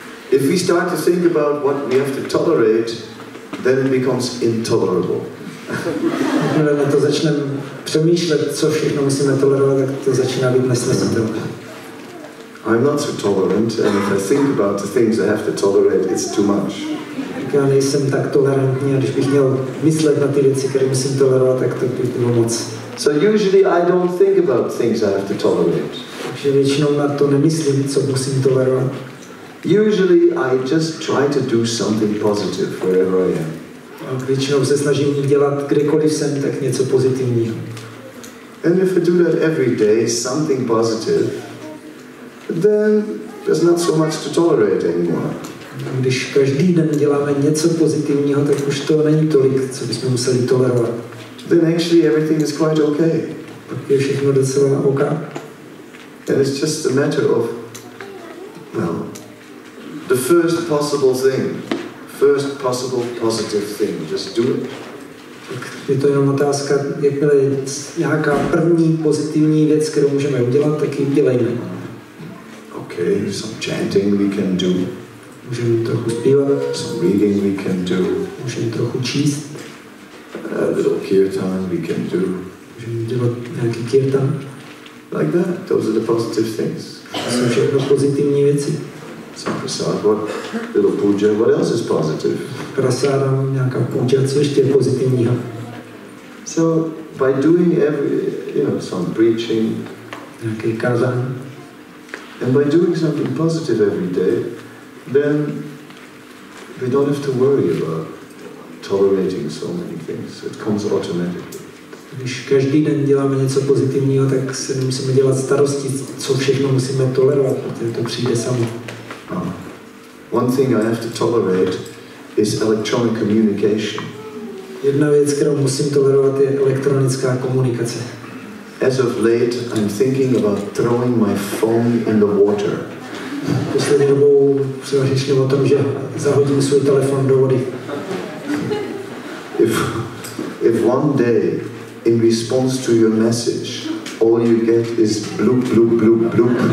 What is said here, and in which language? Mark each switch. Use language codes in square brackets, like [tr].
[en] If we start to think about what we have to tolerate, then it becomes intolerable. [cs] Když na to začneme přemýšlet, co všechno musíme tolerovat, tak to začíná být nesnesitelné. [en] I'm not so tolerant, and if I think about the things I have to tolerate, it's too much. [cs] Já nejsem tak tolerantní, a když bych měl myslet na ty věci, které musím tolerovat, tak to by bylo moc. [en] So usually I don't think about things I have to tolerate. [cs] Takže většinou na to nemyslím, co musím tolerovat. [en] Usually I just try to do something positive wherever I am. [cs] A většinou se snažím dělat kdekoliv jsem, tak něco pozitivního. [en] And if I do that every day, something positive, then there's not so much to tolerate anymore. [cs] Když každý den děláme něco pozitivního, tak už to není tolik, co bychom museli tolerovat. [en] Then actually everything is quite okay. [cs] Pak je všechno docela OK. [en] And it's just a matter of, well, the first possible thing. First possible positive thing, just do it. [cs] Tak je to jenom otázka, jakmile je nějaká první pozitivní věc, kterou můžeme udělat, tak ji udělejme. [en] Okay, some chanting we can do. [cs] Můžeme trochu zpívat. [en] Some reading we can do. [cs] Můžeme trochu číst. [en] A little kirtan we can do. [cs] Můžeme dělat nějaký kirtan. [en] Like that, those are the positive things. [cs] To jsou všechno pozitivní věci. [en] Some prasad, what little puja, what else is positive? [cs] Prasadam, nějaká puja, co ještě je pozitivního? [en] So, by doing every, you know, some preaching. [cs] Nějaký kazán. [en] And by doing something positive every day, then we don't have to worry about tolerating so many things. It comes automatically. [cs] Když každý den děláme něco pozitivního, tak se nemusíme dělat starosti, co všechno musíme tolerovat, protože to přijde samo. [en] One thing I have to tolerate is electronic communication. [cs] Jedna věc, kterou musím tolerovat, je elektronická komunikace. [en] As of late, I'm thinking about throwing my phone in the water. [cs] Poslední dobou přemýšlím o tom, že zahodím svůj telefon do vody. [en] If one day, in response to your message, all you get is bloop, bloop, bloop, bloop.